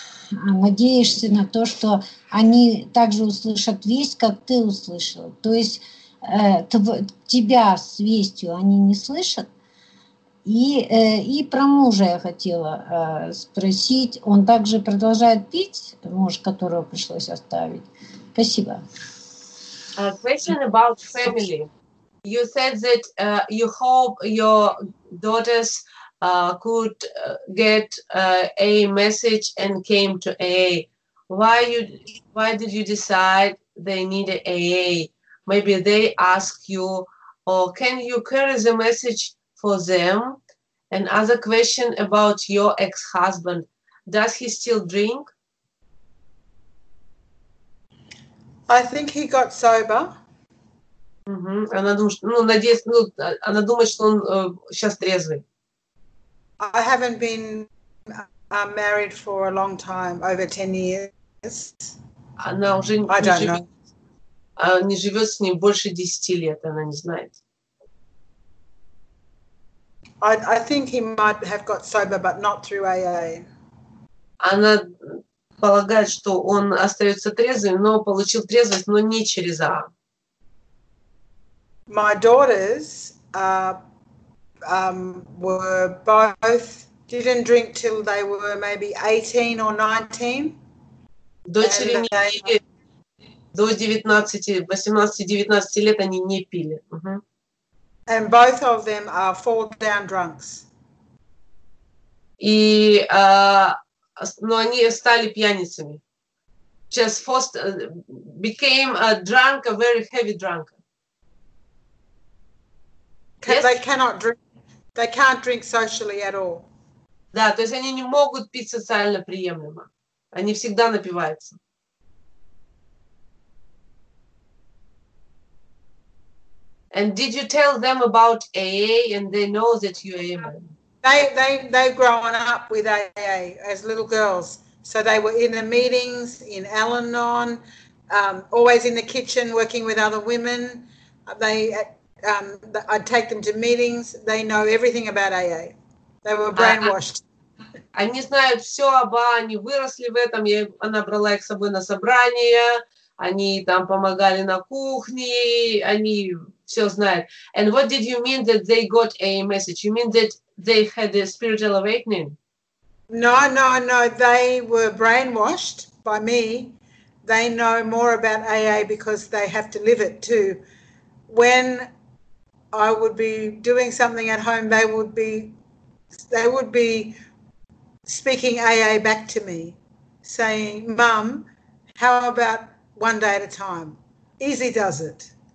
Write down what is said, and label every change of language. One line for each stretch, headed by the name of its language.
Russian: надеешься на то, что они также услышат весть, как ты услышал. То есть тебя с вестью они не слышат. И про мужа я хотела спросить. Он также продолжает пить, муж, которого пришлось оставить. Спасибо.
English: Question about family. You said that you hope your daughters could get a message and came to AA. Why did you decide they need AA? Maybe they ask you, or can you carry the message for them? And other question about your ex-husband. Does he still drink? I think he got sober.
Russian: Она думает, что он сейчас трезвый.
English: I haven't been married for a long time, over 10 years.
Russian: Она уже не не живет с ним больше 10 лет, она не знает.
English: I think he might have got sober, but not through AA.
Russian: Она полагает, что он остается трезвым, но получил трезвость, но не через AA.
English: My daughters were both didn't drink till they were maybe 18 or 19.
Russian: Дочери не пили до 18-19 лет они не пили.
English: And both of them are fall down drunks. И но они стали пьяницами. Just first became a drunk, a very heavy drunk. They cannot drink. They can't drink socially at all.
Russian: Да, то есть они не могут пить социально приемлемо. Они всегда напиваются.
English: And did you tell them about AA and they know that you are AA? They've grown up with AA as little girls. So they were in the meetings, in Al-Anon, always in the kitchen working with other women. I'd take them to meetings. They know everything about AA. They were brainwashed.
Russian: Они знают все об AA, они выросли в этом. Она брала их с собой на собрания. Они там помогали на кухне. Они все знают.
English: And what did you mean that they got a message? You mean that they had a spiritual awakening? No. They were brainwashed by me. They know more about AA because they have to live it too. When I would be doing something at home, they would be speaking AA back to me, saying, "Mum, how about one day at a time? Easy does it."